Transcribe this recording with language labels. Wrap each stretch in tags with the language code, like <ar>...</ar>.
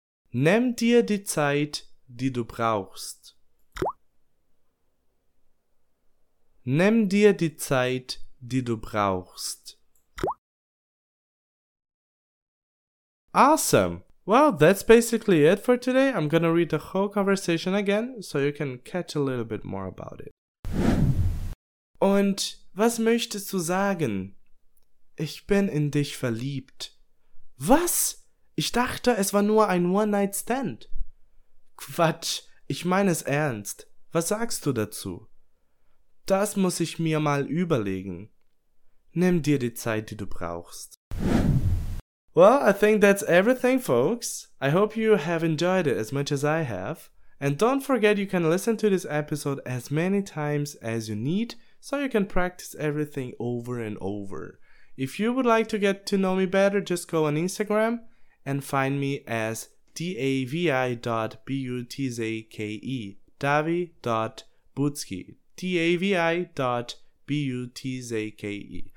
<de>Nimm dir die Zeit, die du brauchst. Nimm dir die Zeit, die du brauchst.</de> <en>Awesome! Well, that's basically it for today. I'm gonna read the whole conversation again, so you can catch a little bit more about it.</en> <de>Und was möchtest du sagen? Ich bin in dich verliebt. Was? Ich dachte, es war nur ein One-Night-Stand. Quatsch, ich meine es ernst. Was sagst du dazu? Das muss ich mir mal überlegen. Nimm dir die Zeit, die du brauchst.</de> <en>Well, I think that's everything, folks. I hope you have enjoyed it as much as I have. And don't forget you can listen to this episode as many times as you need, so you can practice everything over and over. If you would like to get to know me better, just go on Instagram and find me as davi.butzke, davi.butzke, davi.butzke.</en>